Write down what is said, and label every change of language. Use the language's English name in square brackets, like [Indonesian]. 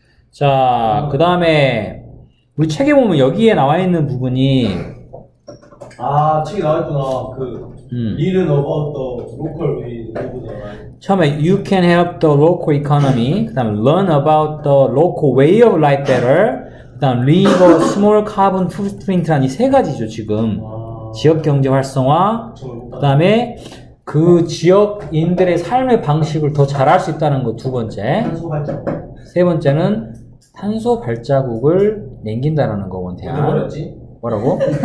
[Korean] 자, 그다음에 우리 책에 보면 여기에 나와 있는 부분이 아, 책에 나와 있구나. 그 일은 [English] about the local way. [Korean] 처음에 [English] you can help the local economy. [Korean] 그다음에 [English] learn about the local way of life better. [Korean] 그다음 [English] leave a small carbon footprint [Korean] 한 이 세 가지죠, 지금. 지역 경제 활성화, 그 다음에 그 지역인들의 삶의 방식을 더 잘할 수 있다는 거 두 번째. 탄소 발자국. 세 번째는 탄소 발자국을 남긴다라는 거 원태야. 뭐라고?